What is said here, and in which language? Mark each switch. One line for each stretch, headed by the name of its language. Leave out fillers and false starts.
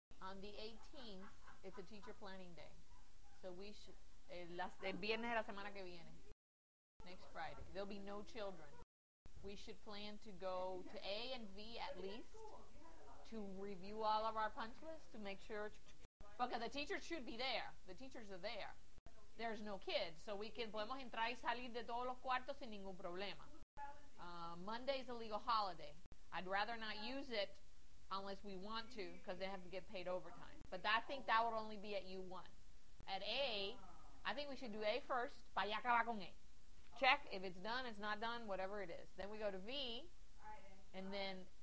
English: On the 18th, it's a teacher planning day. So we should...
Spanish: El viernes de la semana que viene.
English: Next Friday. There'll be no children. We should plan to go to A and V at least to review all of our punch lists to make sure... Because the teachers should be there. The teachers are there. There's no kids. So we can...
Spanish: Podemos entrar y salir de todos los cuartos sin ningún problema.
English: Monday is a legal holiday. I'd rather not use it unless we want to, because they have to get paid overtime. But I think that would only be at U1. At A, I think we should do A first.
Spanish: Vaya acaba con A.
English: Check if it's done, it's not done, whatever it is. Then we go to V, and then